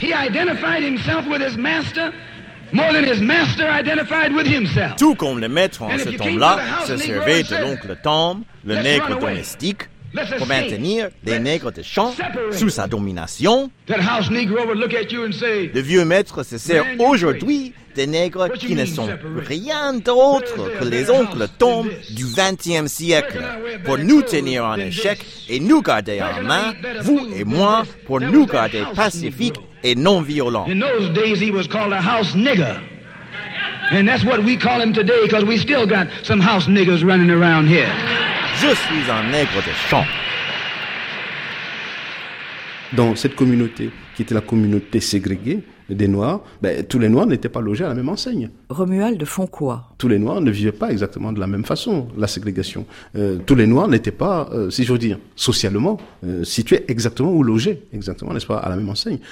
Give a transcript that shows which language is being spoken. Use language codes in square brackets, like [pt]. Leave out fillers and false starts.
[en] He identified himself with his master more than his master identified with himself. [fr] Tout comme le maître en ce temps-là se servait de l'oncle Tom, le nègre domestique, pour maintenir les nègres de champ sous sa domination. Le vieux maître se sert aujourd'hui des nègres qui ne sont rien d'autre que les oncles Tom du XXe siècle pour nous tenir en échec et nous garder en main, vous et moi, pour nous garder pacifiques et non violents. [en] In those days, he was called a house nigger. And that's what we call him today because we still got some house niggers running around here. [fr] Je suis un nègre de champ. Dans cette communauté qui était la communauté ségrégée des Noirs, ben, tous les Noirs n'étaient pas logés à la même enseigne. Romuald Fonquoi. Tous les Noirs ne vivaient pas exactement de la même façon, la ségrégation. Tous les Noirs n'étaient pas, si je veux dire, socialement situés exactement ou logés, exactement, n'est-ce pas, à la même enseigne.